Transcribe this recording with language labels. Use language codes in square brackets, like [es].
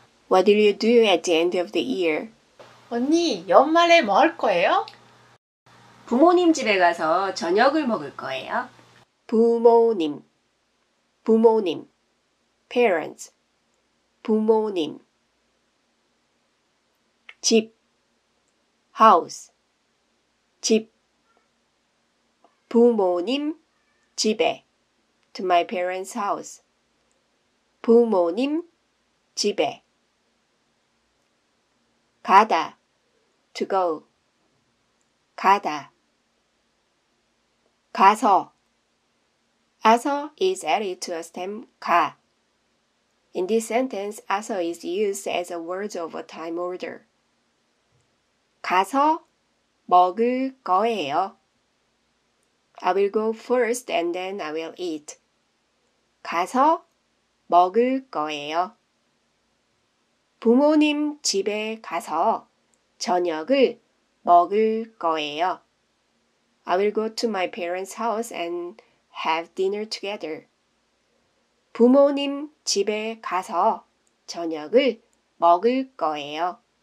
[en] What will you do at the end of the year? [ko] 언니, 연말에 뭐 할 거예요? 부모님 집에 가서 저녁을 먹을 거예요. 부모님 부모님 parents 부모님 집 house 집 부모님 집에 [en] to my parents' house [ko] 부모님 집에 [en] 가다 to go 가다 가서 아서 is added to a stem 가 In this sentence, 아서 is used as a word of a time order. [ko] 가서 먹을 거예요. [en] I will go first and then I will eat. [ko] 가서 먹을 거예요. 부모님 집에 가서 저녁을 먹을 거예요. [en] I will go to my parents' house and have dinner together. [ko] 부모님 집에 가서 저녁을 먹을 거예요.